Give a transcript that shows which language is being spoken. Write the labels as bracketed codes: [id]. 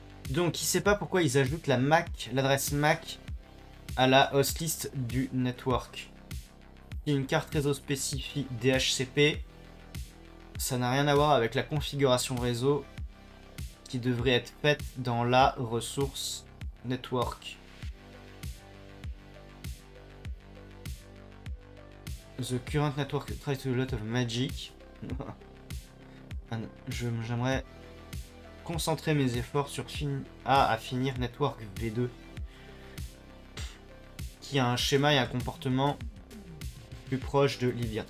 [fr] Donc, qui sait pas pourquoi ils ajoutent la MAC, l'adresse MAC à la host list du network. Une carte réseau spécifique DHCP, ça n'a rien à voir avec la configuration réseau qui devrait être faite dans la ressource network. [en] The current network tries to do a lot of magic. [fr] J'aimerais concentrer mes efforts sur à finir network V2, qui a un schéma et un comportement plus proche de Liviat.